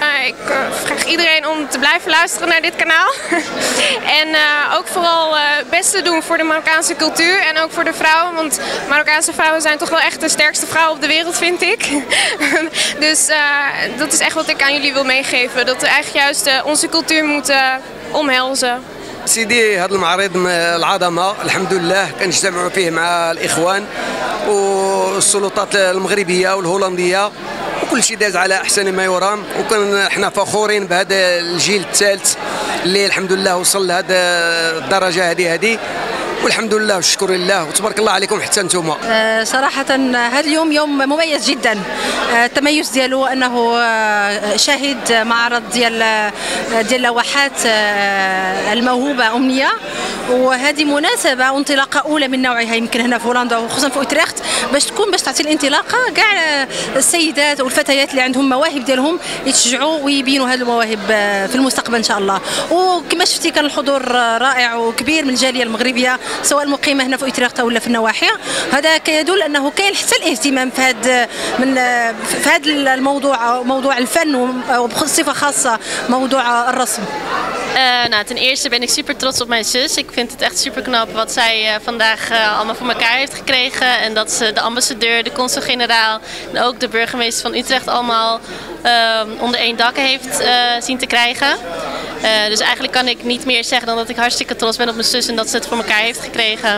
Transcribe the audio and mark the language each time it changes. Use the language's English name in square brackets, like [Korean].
[Dutch] Ik vraag iedereen om te blijven luisteren naar dit kanaal. En ook vooral best te doen voor de Marokkaanse cultuur en ook voor de vrouwen. Want Marokkaanse vrouwen zijn toch wel echt de sterkste vrouwen op de wereld, vind ik. Dus dat is echt wat ik aan jullie wil meegeven. Dat we eigenlijk juist onze cultuur moeten omhelzen. [Arabic] سيدي هذا المعرض العظمة الحمد لله كنجتمعوا فيه مع الإخوان والسلطات المغربية والهولندية وكل شيء داز على أحسن ما يرام، وكنا احنا فخورين بهذا الجيل الثالث اللي الحمد لله وصل لهذه الدرجة هذه والحمد لله والشكر لله وتبارك الله عليكم حتى انتم. صراحة هذا اليوم يوم مميز جدا، التميز ديالو أنه شاهد معرض ديال لوحات الموهوبة أمنية، وهذه مناسبة انطلاقة أولى من نوعها يمكن هنا في هولندا وخصوصا في أوتريخت باش تكون باش تعطي الانطلاقة كاع السيدات والفتيات اللي عندهم مواهب ديالهم يتشجعوا ويبينوا هذه المواهب في المستقبل إن شاء الله. وكما شفتي كان الحضور رائع وكبير من الجالية المغربية سواء المقيمة هنا في أوتريخت ولا في النواحي، هذا كيدل أنه كاين حتى الاهتمام في هذا من في هذا الموضوع موضوع الفن وبصفة خاصة موضوع الرسم. [Dutch] Ten eerste ben ik super trots op mijn zus. Ik vind het echt super knap wat zij vandaag allemaal voor elkaar heeft gekregen. En dat ze de ambassadeur, de consul-generaal en ook de burgemeester van Utrecht allemaal onder één dak heeft zien te krijgen. Dus eigenlijk kan ik niet meer zeggen dan dat ik hartstikke trots ben op mijn zus en dat ze het voor elkaar heeft gekregen.